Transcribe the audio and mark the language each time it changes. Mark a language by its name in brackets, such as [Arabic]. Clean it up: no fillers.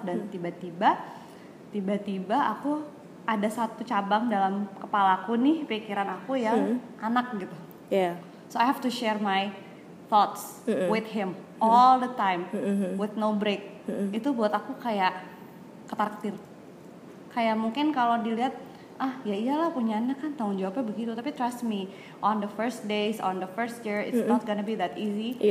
[Indonesian] Dan tiba-tiba aku ada satu cabang dalam kepalaku nih, pikiran aku yang anak gitu. [English] So I have to share my thoughts with him all the time, with no break. [Indonesian] Itu buat aku kayak ketar-ketir. Kayak mungkin kalau dilihat, ya iyalah punya anak kan tanggung jawabnya begitu. Tapi [English] trust me, on the first days, on the first year, it's not gonna be that easy.